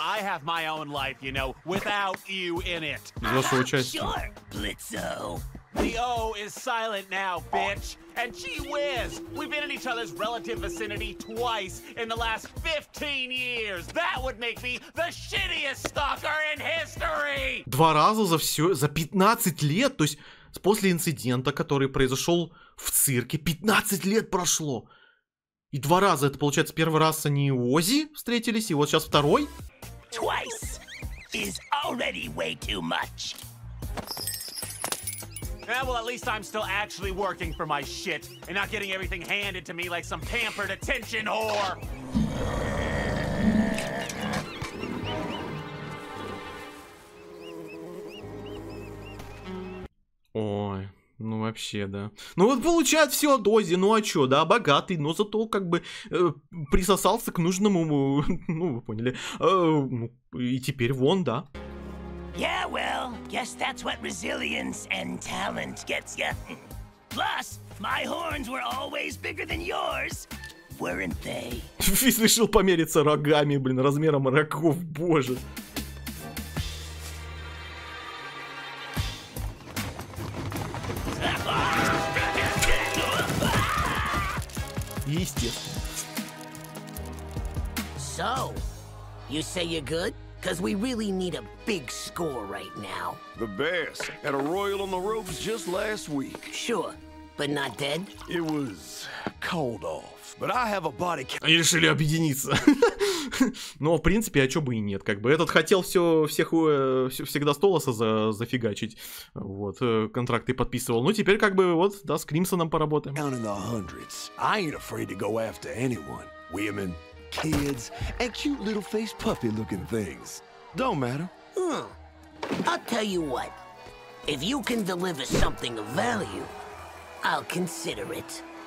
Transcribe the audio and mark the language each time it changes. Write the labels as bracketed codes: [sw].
[en] I have my own life, you know, without you in it. Sure, Blitzo. The O is silent now, bitch. And gee whiz, we've been in each other's relative vicinity twice in the last 15 years. That would make me the shittiest stalker in history. [ru] Два раза за все, за 15 лет, то есть после инцидента, который произошел в цирке, 15 лет прошло. И два раза, это получается, первый раз они у Ози встретились, и вот сейчас второй. [en] Twice is already way too much. Yeah, well, at least I'm still actually working for my shit and not getting everything handed to me like some pampered attention whore. [ru] Ой. Ну вообще, да. Ну вот получает все от Ози, ну а чё, да, богатый, но зато как бы присосался к нужному, ну вы поняли, и теперь вон, да. [en] Yeah, well, guess that's what resilience and talent gets ya. Plus, my horns were always bigger than yours, weren't they? [ru] Физ решил помериться рогами, блин, размером рогов, боже. [en] So, you say you're good? Cause we really need a big score right now. The bass had a royal on the ropes just last week. Sure, but not dead? It was called off, but I have a body count. [ru] Они решили объединиться. Но в принципе, а чё бы и нет, как бы этот хотел всё, всех, всегда Столоса зафигачить, вот, контракты подписывал, ну теперь как бы вот, да, с Кримсоном поработаем. [en] Counting the hundreds, I ain't afraid to go after anyone, women, kids, and cute little face puffy looking things, don't matter. I'll tell you what, if you can deliver something of value, I'll consider it.